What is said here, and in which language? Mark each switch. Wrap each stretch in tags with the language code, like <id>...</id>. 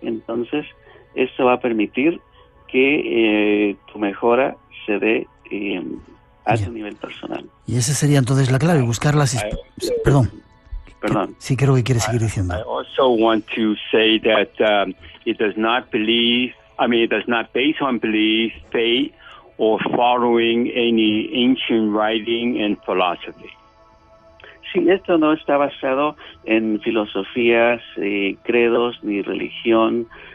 <es>Entonces, esto va a permitir que tu mejora se dé a ese nivel personal. Y esa sería entonces la clave, buscar las... Perdón. Perdón. Sí, creo que quiere seguir diciendo.</es> <en>I also want to say that it does not based on belief, faith, or following any ancient writing and philosophy.</en> <es>Sí, esto no está basado en filosofías, credos, ni religión.</es>